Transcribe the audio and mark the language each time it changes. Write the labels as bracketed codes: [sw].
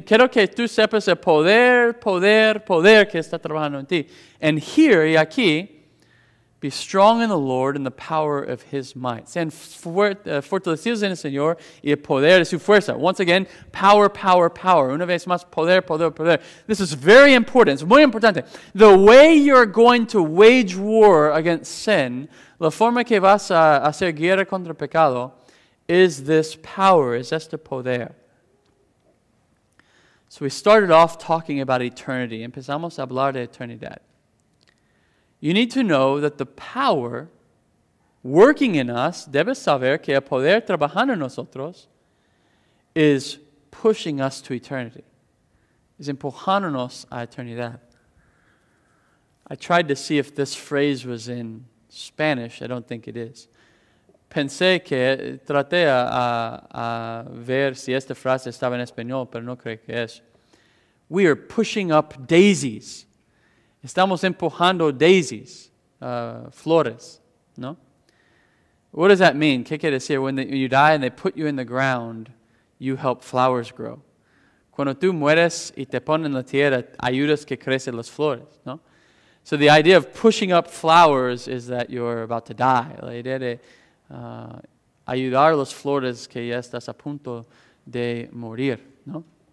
[es] Quiero que tú sepas el poder que está trabajando en ti. [en] And here, [es] y aquí, [en] be strong in the Lord and the power of his might. [es] Sean fortalecidos en el Señor y el poder de su fuerza. [en] Once again, power. [es] Una vez más, poder. [en] This is very important. It's [es] muy importante. [en] The way you're going to wage war against sin, [es] la forma que vas a hacer guerra contra el pecado, [en] is this power, is [es] este poder. [en] So we started off talking about eternity. [es] Empezamos a hablar de eternidad. [en] You need to know that the power working in us, [es] debes saber que el poder trabajando en nosotros, [en] is pushing us to eternity. [es] Es empujándonos a eternidad. [en] I tried to see if this phrase was in Spanish. I don't think it is. [es] Pensé que traté a ver si esta frase estaba en español, pero no creo que es. [en] We are pushing up daisies. [es] Estamos empujando daisies, flores, ¿no? [en] What does that mean? [es] ¿Qué quiere decir? [en] When you die and they put you in the ground, you help flowers grow. [es] Cuando tú mueres y te ponen en la tierra, ayudas que crecen las flores, ¿no? [en] So the idea of pushing up flowers is that you're about to die. [es] La idea de ayudar a las flores que ya estás a punto de morir, ¿no?